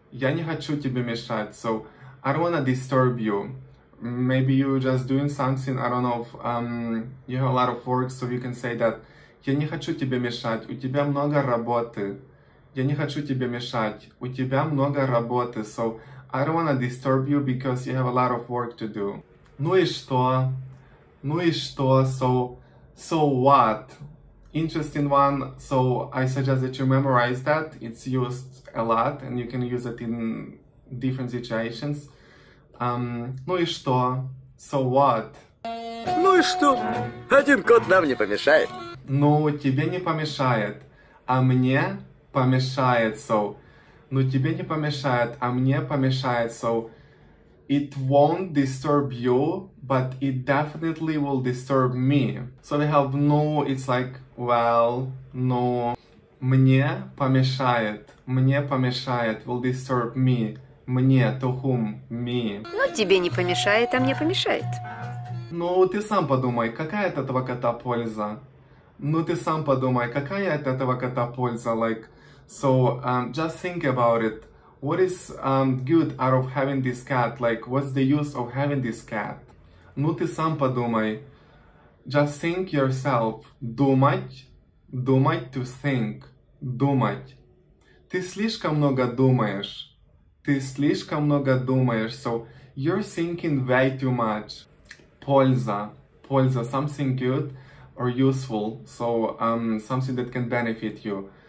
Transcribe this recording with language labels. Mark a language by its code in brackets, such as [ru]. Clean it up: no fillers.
[ru] Я не хочу тебе мешать. [en] So I don't wanna disturb you. Maybe you're just doing something, I don't know, you have a lot of work, so you can say that [ru] я не хочу тебе мешать, у тебя много работы. Я не хочу тебе мешать, у тебя много работы. [en] So I don't wanna disturb you because you have a lot of work to do. [ru] Ну и что? Ну и что? [en] So what? Interesting one, so I suggest that you memorize that. It's used a lot and you can use it in different situations. [ru] Ну и что? [en] So what? [ru] Ну и что? Один кот нам не помешает. Ну, тебе не помешает, а мне помешает. So, ну тебе не помешает, а мне помешает. [en] So, it won't disturb you, but it definitely will disturb me. So we have no, it's like, well, no. [ru] Мне помешает, [en] will disturb me. Мне, to whom, me. [ru] Ну, тебе не помешает, а мне помешает. Ну, ты сам подумай, какая от этого кота польза? Ну, ты сам подумай, какая от этого кота польза? [en] Like, so, just think about it. What is good out of having this cat? Like, what's the use of having this cat? [ru] Ну, ты сам подумай. [en] Just think yourself. Думать, to think. Думать. [ru] Ты слишком много думаешь. Ты слишком много думаешь, [en] so you're thinking way too much. Польза, something good or useful, so something that can benefit you.